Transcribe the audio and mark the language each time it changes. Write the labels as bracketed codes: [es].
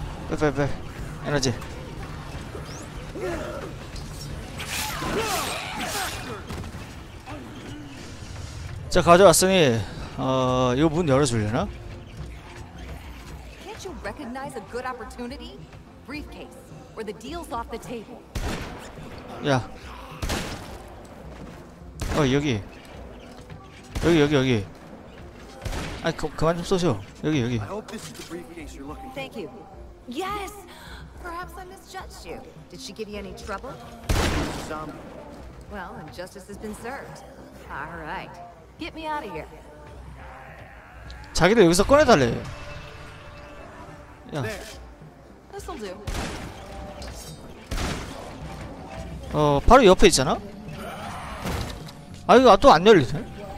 [ko] 빼빼빼 에너지. 자 가져왔으니 이거 문 열어줄려나? [en] Can't you recognize a good opportunity? Briefcase where the deal's off the table. [ko] 야. 여기. 아 그만 좀 쏘셔. 여기. [en] I hope this is the briefcase you're looking for. Thank you. Yes. Perhaps I misjudged you. Did she give you any trouble? Some. Well, and justice has been served. All right. Get me out of here. [ko] 자기도 여기서 꺼내 달래. 야. [en] This'll do. [ko] 바로 옆에 있잖아. 아 이거 또 안 열리네.